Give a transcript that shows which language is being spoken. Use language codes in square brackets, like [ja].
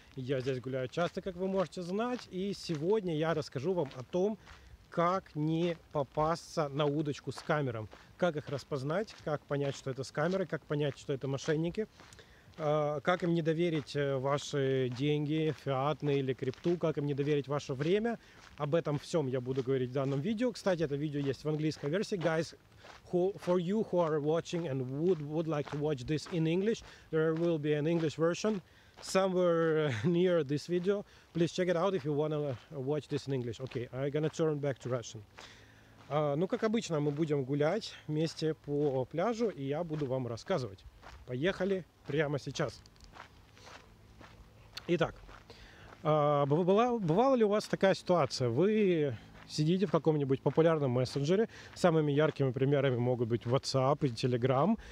[ru] Я здесь гуляю часто, как вы можете знать. И сегодня я расскажу вам о том, как не попасться на удочку с камером. Как их распознать, как понять, что это скамеры, как понять, что это мошенники. Как им не доверить ваши деньги, фиатные или крипту, как им не доверить ваше время. Об этом всем я буду говорить в данном видео. Кстати, это видео есть в английской версии. [en] Guys, for you who are watching and would like to watch this in English, there will be an English version somewhere near this video. Please check it out if you want to watch this in English. Okay, I'm gonna turn back to Russian. [ru] Ну, как обычно, мы будем гулять вместе по пляжу, и я буду вам рассказывать. Поехали прямо сейчас. Итак, бывала ли у вас такая ситуация? Вы сидите в каком-нибудь популярном мессенджере. Самыми яркими примерами могут быть WhatsApp и Telegram.